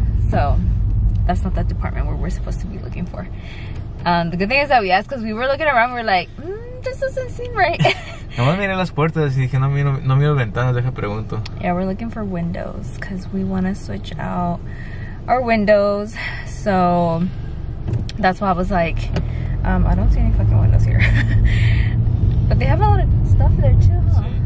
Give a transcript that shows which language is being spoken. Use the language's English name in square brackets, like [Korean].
[English] So that's not that department where we're supposed to be looking for. The good thing is that we asked because we were looking around, we're like, this doesn't seem right. [Spanish] Nomás miré las puertas y dije, no miro ventanas, deja pregunto. [English] Yeah, we're looking for windows because we want to switch out our windows. So that's why I was like, I don't see any fucking windows here. But they have a lot of stuff there too, huh?